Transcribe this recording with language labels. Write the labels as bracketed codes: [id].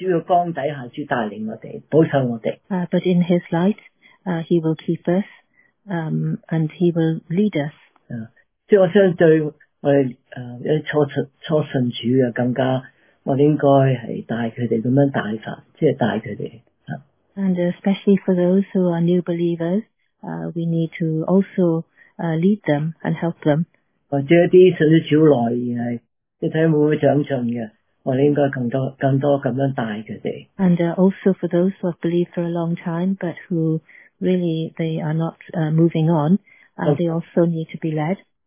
[zh] 唯有我们知道主是好,我们跟随祂就会分辨,就是会在主的光底下主带领我们,保守我们。But [en] in his light, he will keep us, and he will lead us. [zh] 我相信对我们初信主更加,我们应该是带他们这样带法,就是带他们。And [en] especially for those who are new believers, we need to also lead them and help them. [zh] 或者一些信息主来,我们应该更多这样带他们。 [en] And also for those who have believed for a long time, but who really they are not moving on, they also need to be led.